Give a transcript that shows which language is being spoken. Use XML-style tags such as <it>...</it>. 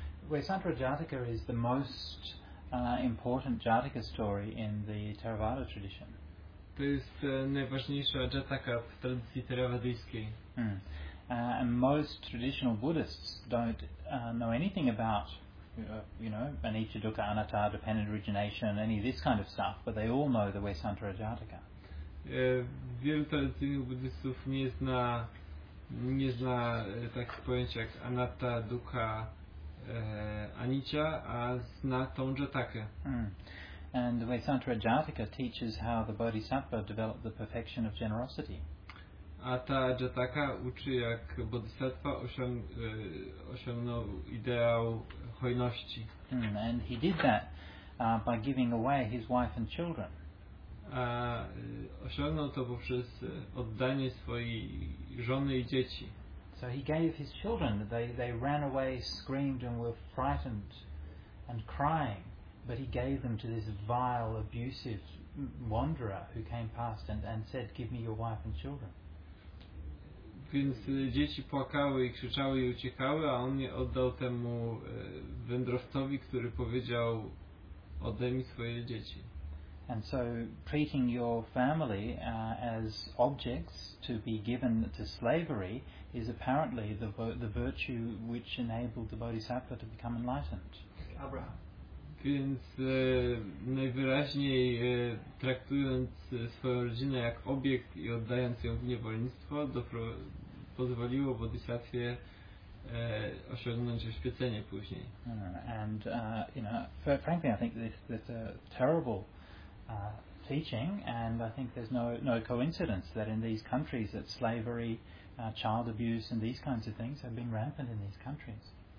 <en>Vaisantara Jataka is the most important Jataka story in the Theravada tradition.</en> <pl>To jest najważniejsza Jataka w tradycji Theravadyjskiej.</pl> <en>And most traditional Buddhists don't know anything about, you know, anicca, dukkha, anatta, dependent origination, any of this kind of stuff, but they all know the Vaisantara Jataka.</en> <pl>Wielu tradycyjnych buddhistów nie zna takich pojęć jak anatta, dukkha, anicca, a zna tą Jatakę.</pl> <en>And the Vaisantara Jataka teaches how the Bodhisattva developed the perfection of generosity.</en> <pl>A ta Jataka uczy, jak Bodhisattva osiągnął ideał hojności.</pl> <en>And he did that by giving away his wife and children.</en> <pl>A osiągnął to poprzez oddanie swojej żony i dzieci.</pl> <en>So he gave his children. They ran away, screamed and were frightened and crying. But he gave them to this vile, abusive wanderer who came past and said, "Give me your wife and children."</en> <pl>Więc dzieci płakały i krzyczały i uciekały, a on je oddał temu wędrowcowi, który powiedział: "Oddaj mi swoje dzieci."</pl> <en>And so treating your family as objects to be given to slavery is apparently the virtue which enabled the Bodhisattva to become enlightened. Abraham.</en> <pl>Więc najwyraźniej traktując swoją rodzinę jak obiekt i oddając ją w niewolnictwo, pozwoliło Bodhisattwie osiągnąć oświecenie później.</pl> <en>And you know, frankly, I think this is a terrible teaching, and I think there's no coincidence that in these countries that slavery, child abuse and these kinds of things have been rampant in these countries.</en>